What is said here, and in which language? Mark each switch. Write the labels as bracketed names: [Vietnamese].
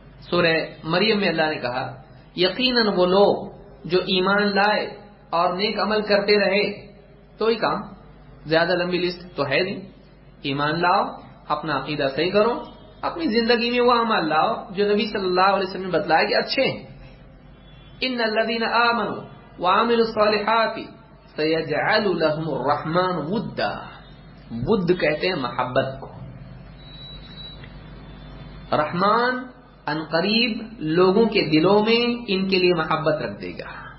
[Urdu] سورہ مریم میں اللہ نے کہا یقیناً وہ لوگ جو ایمان لائے اور نیک عمل کرتے رہے, تو ہی کام, زیادہ لمبی لسٹ تو ہے نہیں. ایمان لاؤ, اپنا عقیدہ صحیح کرو, اپنی زندگی میں وہ عمل لاؤ جو نبی صلی اللہ علیہ وسلم نے بتلایا کہ اچھے ہیں. [Arabic] ان الذين امنوا وعملوا الصالحات سيجعل لهم الرحمن ودا. [Urdu] ود کہتے ہیں محبت کو. رحمان عنقریب لوگوں کے دلوں میں ان کے لیے محبت رکھ دے گا.